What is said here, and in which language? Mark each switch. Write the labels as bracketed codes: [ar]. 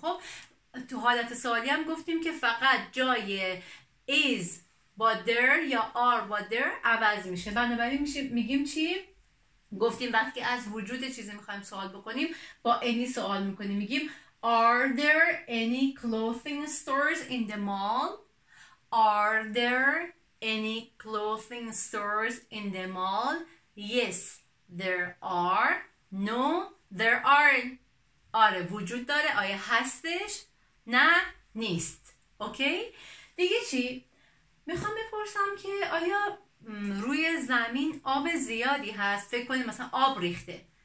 [fa] خب تو حالت سوالی هم گفتیم که فقط جای is با there یا are با there عوض میشه، بنابراین میشه میگیم چی؟ گفتیم وقتی از وجود چیزی میخوایم سوال بکنیم با any سوال میکنیم، میگیم [en] Are there any clothing stores in the mall? Are there any clothing stores in the mall? Yes, there are. No, there aren't. [fa] آره، وجود داره، آیا هستش؟ نه، نیست. اوکی؟ دیگه چی؟ میخوام بپرسم که آیا روی زمین آب زیادی هست؟ فکر کنیم مثلا آب ریخته.